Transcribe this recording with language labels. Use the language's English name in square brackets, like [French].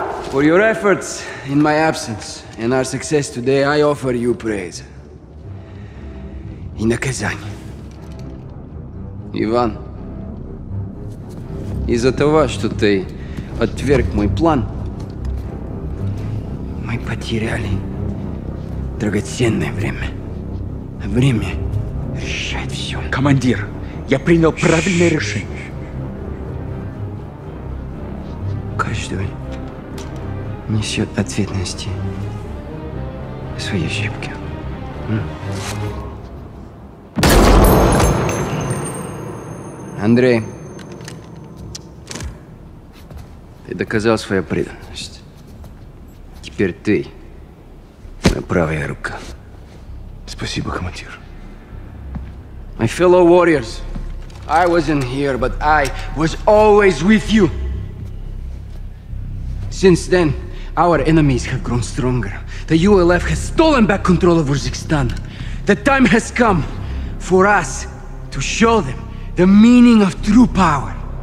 [English] For your efforts in my absence and our success today, I offer you praise. [Russian] И наказание. Иван, из-за того, что ты отверг мой план, мы потеряли драгоценное время. Время решать все. Командир, я принял правильное решение. Каждый несет ответственности за свои ошибки. Андрей, ты доказал свою преданность. Теперь ты моя правая рука. Спасибо, командир. [English] My fellow warriors, I wasn't here, but I was always with you. Since then, our enemies have grown stronger. The ULF has stolen back control of Uzbekistan. The time has come for us to show them the meaning of true power.